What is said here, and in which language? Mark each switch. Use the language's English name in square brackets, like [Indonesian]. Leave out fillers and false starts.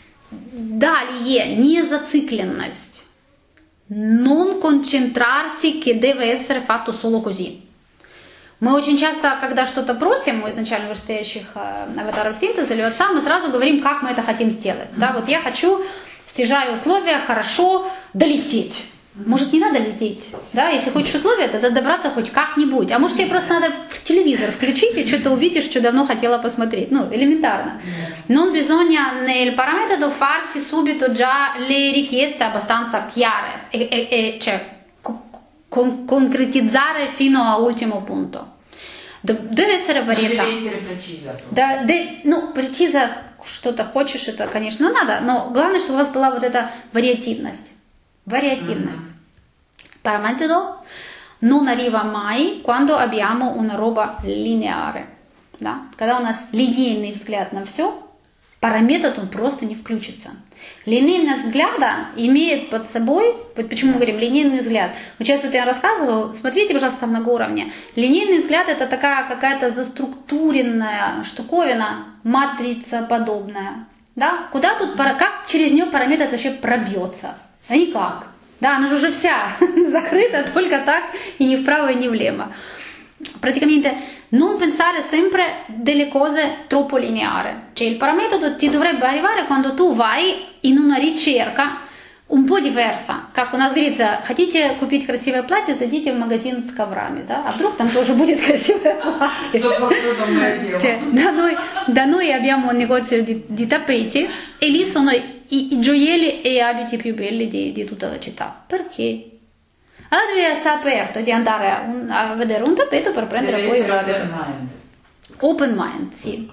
[Russian] Далее, незацикленность. [Italian] Non concentrarsi, che deve essere fatto solo così. [Russian] Мы очень часто, когда что-то просим у изначально вырастающих аватаров синтеза или отца, мы сразу говорим, как мы это хотим сделать. Mm-hmm. Да, вот я хочу, стяжая условия, хорошо долететь. Может, не надо лететь, да? Если хочешь условия, тогда добраться хоть как-нибудь. А может, тебе просто надо в телевизор включить и что-то увидишь, что давно хотела посмотреть. Ну, элементарно. [Italian] Non bisogna nel parametro farsi subito già le richieste abbastanza chiare, cioè concretizzare fino all'ultimo punto. Deve essere varietà. Deve essere precisa. [Russian] Да, ну, precisa, что-то хочешь, это, конечно, надо, но главное, чтобы у вас была вот эта вариативность. [Italian] Variatività. Parametro non arriva mai quando abbiamo una roba lineare. [Russian] Да? Когда у нас линейный взгляд на все, параметр он просто не включится. Линейный взгляд имеет под собой, вот почему мы говорим линейный взгляд. Вот сейчас это я рассказываю, смотрите, пожалуйста, там многоуровне. Линейный взгляд это такая какая-то заструктуренная штуковина, матрица подобная. Да? Куда тут, как через нее параметр вообще пробьется? А никак. Да, она же уже вся закрыта, только так, и ни вправо, и ни влево. [Italian] Практикаменте, non pensare sempre delle cose troppo lineare. Cioè, il parametro ti dovrebbe arrivare quando tu vai in una ricerca un po' diversa. [Russian] Как у нас говорится, хотите купить красивое платье, зайдите в магазин с коврами, да? А вдруг там тоже будет красивое платье? [Italian] Cioè, da noi abbiamo un negozio di tappeti, e lì sono... i gioielli e gli abiti più belli di tutta la città. Perché? Allora devi essere aperto di andare a vedere un tappeto per prendere deve poi un abito. [English] Open mind. Open mind, sì.